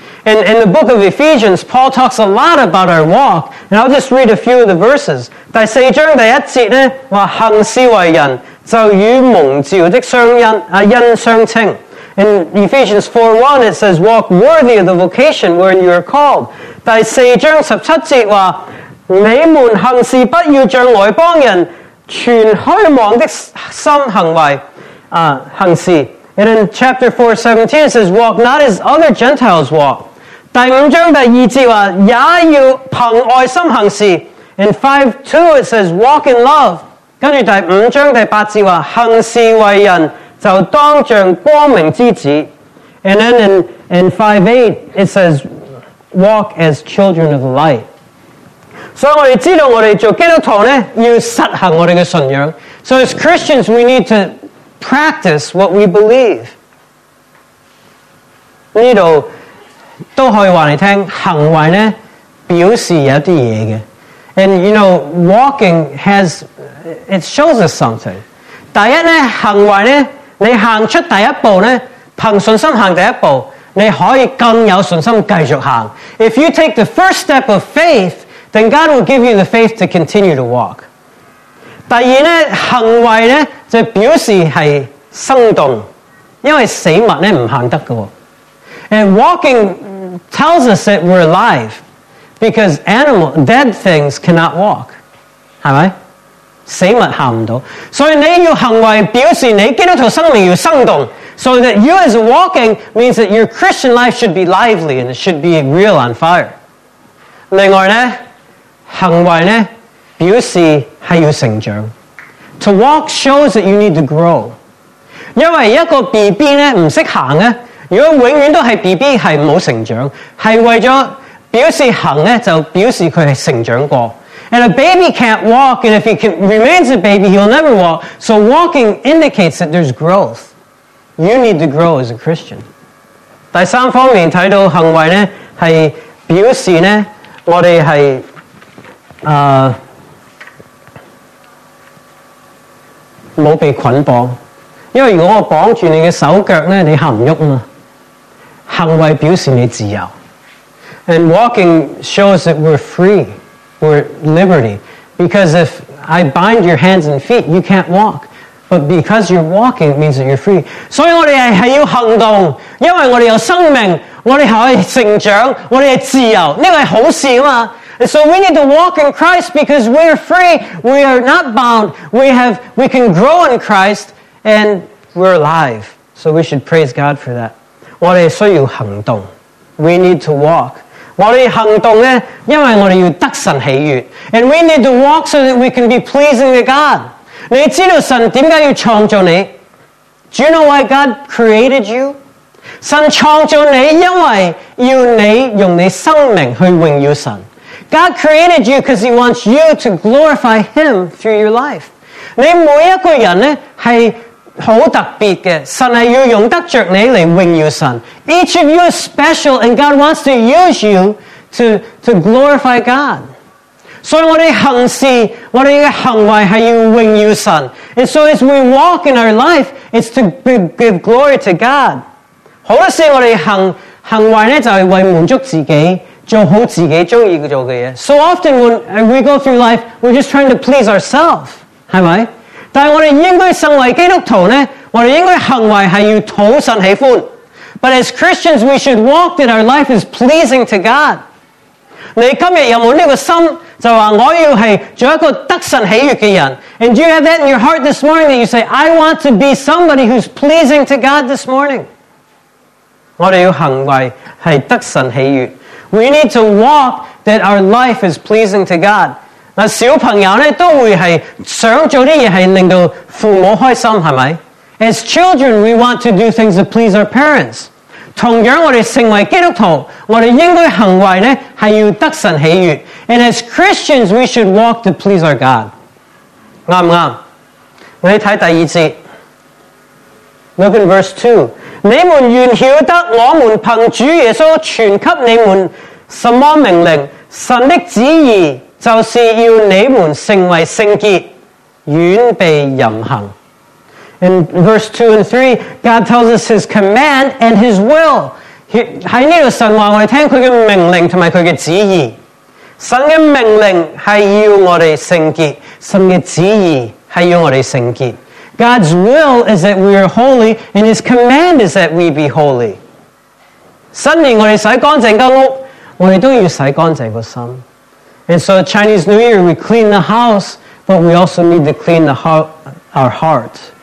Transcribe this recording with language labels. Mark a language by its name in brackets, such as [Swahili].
[English] In the book of Ephesians, Paul talks a lot about our walk, and I'll just read a few of the verses. [Cantonese] 第四章第一节呢，话行事为人，就与蒙召的相恩恩相称。 [English] In Ephesians 4:1, it says, "Walk worthy of the vocation wherein you are called." [Cantonese] 第四章十七节话，你们行事不要像外邦人，存虚妄的心行为，行事。 [English] And in chapter 4:17, it says, "Walk not as other Gentiles walk." [Cantonese] 第五章第二节话，也要凭爱心行事。 [English] In 5:2, it says, "Walk in love." [Cantonese] 跟住第五章第八节话，行事为人就当像光明之子。 [English] And then in 5:8, it says, "Walk as children of the light." [Cantonese] 所以我们知道，我们做基督徒呢，要实行我们的信仰。 [English] So as Christians, we need to practice what we believe. [Cantonese] 呢度都可以话你听，行为呢表示有啲嘢嘅。 [English] And you know, walking has, it shows us something. [Cantonese] 第一呢，行为呢你行出第一步呢，凭信心行第一步，你可以更有信心继续行。 [English] If you take the first step of faith, then God will give you the faith to continue to walk. [Cantonese] 第二呢，行为呢，就表示是生动，因为死物呢不行得的。 [English] And walking tells us that we're alive, because animal, dead things cannot walk. [Cantonese] 是吧？死物行不到。所以你要行为表示你基督徒生命要生动。 [English] So that you as walking means that your Christian life should be lively and it should be real on fire. [Cantonese] 另外呢，行为呢，表示是要成长。 [English] To walk shows that you need to grow. [Cantonese] 因为一个 BB 呢，不懂行呢，如果永远都是 BB 是没有成长，是为了表示行呢，就表示他是成长过。 [English] And a baby can't walk, and if he remains a baby, he'll never walk. So walking indicates that there's growth. You need to grow as a Christian. [Cantonese] 第三方面睇到行为呢，系表示呢，我哋系冇被捆绑。因为如果我绑住你嘅手脚呢，你行唔喐嘛。行为表示你自由。 [English] And walking shows that we're free. We're liberty. Because if I bind your hands and feet, you can't walk. But because you're walking, it means that you're free. [Cantonese] 所以我们是要行动，因为我们有生命，我们可以成长，我们是自由，这个是好事嘛。 [English] And so we need to walk in Christ because we are free. We are not bound. We can grow in Christ and we're alive. So we should praise God for that. [Cantonese] 我们需要行动。 [English] We need to walk. [Cantonese] 我们行动呢，因为我们要得神喜悦。 [English] And we need to walk so that we can be pleasing to God. [Cantonese] 你知道神为什么要创造你？ [English] Do you know why God created you? [Cantonese] 神创造你因为要你用你生命去荣耀神。 [English] God created you because he wants you to glorify him through your life. [Cantonese] 你每一个人呢，是好特别的，神是要用得着你来荣耀神。 [English] Each of you is special and God wants to use you to glorify God. [Cantonese] 所以我们行事，我们的行为是要荣耀神。 [English] And so as we walk in our life, it's to give glory to God. [Cantonese] 好多时我们行为呢，就是为满足自己，做好自己喜欢做的事。 [English] So often when we go through life, we're just trying to please ourselves. [Cantonese] 是吧？但是我们应该身为基督徒呢，我们应该行为是要讨神喜欢。 [English] But as Christians, we should walk that our life is pleasing to God. [Cantonese] 你今天有没有这个心，就说我要是做一个得神喜悦的人。 [English] And do you have that in your heart this morning that you say, I want to be somebody who's pleasing to God this morning? [Cantonese] 我们要行为是得神喜悦。 [English] We need to walk that our life is pleasing to God. [Cantonese] 小朋友呢都会是想做的事情令到父母开心，是不是？ [English] As children, we want to do things to please our parents. [Cantonese] 同样我们成为基督徒，我们应该行为呢是要得神喜悦。 [English] And as Christians, we should walk to please our God. [Cantonese] 对不对？我们看第二节。 [English] Look in verse 2. [Cantonese] 你们愿晓得我们凭主耶稣传给你们什么命令，神的旨意就是要你们成为圣洁，远避淫行。 [English] In verse 2 and 3, God tells us his command and his will. [Cantonese] 在这里神告诉我们他的命令和他的旨意。神的命令是要我们圣洁，神的旨意是要我们圣洁。 [English] God's will is that we are holy, and his command is that we be holy. [Cantonese] 新年我们洗干净的屋，我们都要洗干净的心。 [English] And so Chinese New Year, we clean the house, but we also need to clean the heart, our heart.